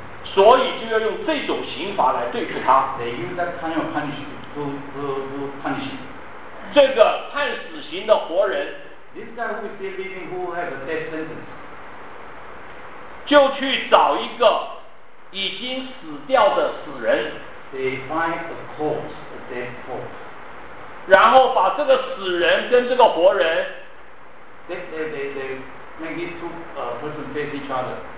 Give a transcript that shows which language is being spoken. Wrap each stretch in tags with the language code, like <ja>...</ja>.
<zh>所以就要用这种刑罚来对付他。</zh> <en>They use that kind of punishment to punish him。</en> <zh>这个判死刑的活人</zh> <en>，this guy who is still living who has a death sentence，</en> <zh>就去找一个已经死掉的死人</zh> <en>，they find a corpse, a dead corpse，</en> <zh>然后把这个死人跟这个活人。</zh> <en>They make it two person face each other.</en>